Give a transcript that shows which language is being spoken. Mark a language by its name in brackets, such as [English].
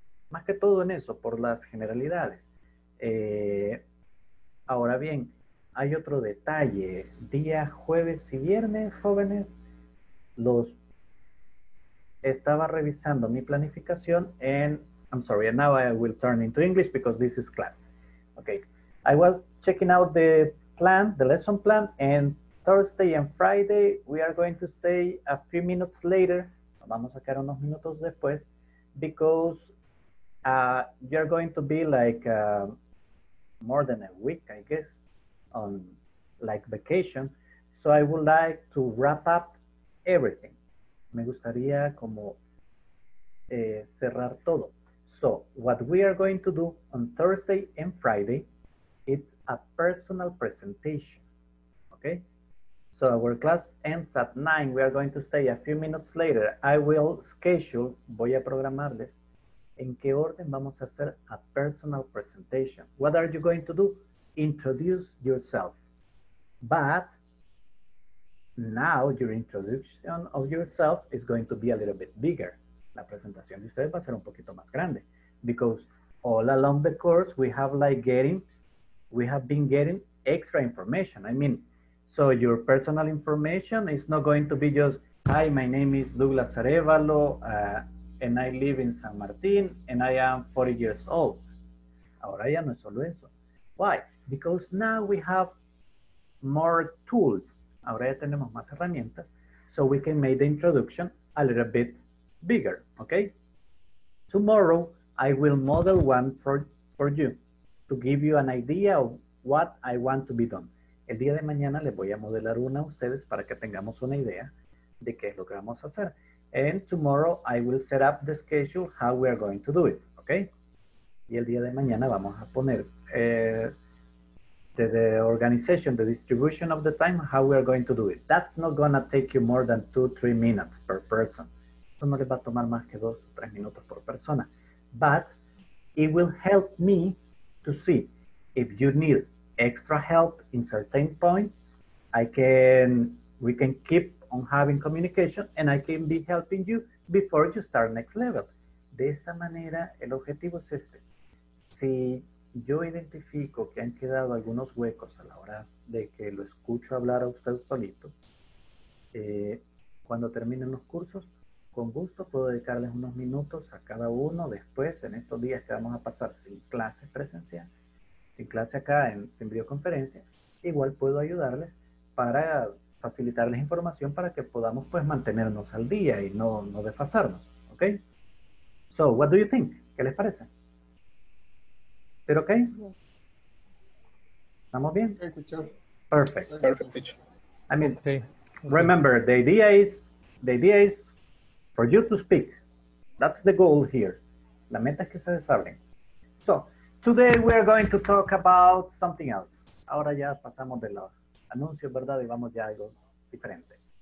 [Spanish] Más que todo en eso, por las generalidades. Ahora bien, hay otro detalle. Día jueves y viernes, jóvenes, estaba revisando mi planificación en... [English] I'm sorry, now I will turn into English because this is class. Okay, I was checking out the plan, the lesson plan, and Thursday and Friday we are going to stay a few minutes later. [Spanish] Vamos a quedar unos minutos después [English] because you're going to be like more than a week, I guess, on like vacation. So I would like to wrap up everything. [Spanish] Me gustaría como cerrar todo. [English] So, what we are going to do on Thursday and Friday, it's a personal presentation, okay? So, our class ends at 9. We are going to stay a few minutes later. I will schedule, [Spanish] voy a programarles, en qué orden vamos a hacer [English] a personal presentation. What are you going to do? Introduce yourself. But now, your introduction of yourself is going to be a little bit bigger. [Spanish] La presentación de ustedes va a ser un poquito más grande. [English] Because all along the course, we have been getting extra information. I mean, so your personal information is not going to be just, hi, my name is Douglas Arevalo, and I live in San Martin, and I am 40 years old. [Spanish] Ahora ya no es solo eso. [English] Why? Because now we have more tools. [Spanish] Ahora ya tenemos más herramientas, [English] so we can make the introduction a little bit bigger, okay? Tomorrow, I will model one for you to give you an idea of what I want to be done. [Spanish] El día de mañana les voy a modelar una a ustedes para que tengamos una idea de qué es lo que vamos a hacer. [English] And tomorrow, I will set up the schedule, how we are going to do it, okay? [Spanish] Y el día de mañana vamos a poner... [English] the organization, the distribution of the time, how we are going to do it. That's not going to take you more than 2-3 minutes per person. [Spanish] Eso no les va a tomar más que 2-3 minutos por persona. [English] But it will help me to see if you need extra help in certain points. We can keep on having communication and I can be helping you before you start next level. [Spanish] De esta manera, el objetivo es este. Si yo identifico que han quedado algunos huecos a la hora de que lo escucho hablar a usted solito. Cuando terminen los cursos, con gusto puedo dedicarles unos minutos a cada uno después, en estos días que vamos a pasar sin clase presencial, sin clase acá, sin videoconferencia. Igual puedo ayudarles para facilitarles información para que podamos pues mantenernos al día y no desfasarnos, ¿ok? [English] So, what do you think? [Spanish] ¿Qué les parece? ¿Está ok? ¿Estamos bien? Perfect. [English] Perfect. I mean, okay. Remember, the idea is for you to speak. That's the goal here. [Spanish] La meta es que se deshablen. [English] So, today we are going to talk about something else. [Spanish] Ahora ya pasamos de los anuncios, ¿verdad? Y vamos ya a algo diferente.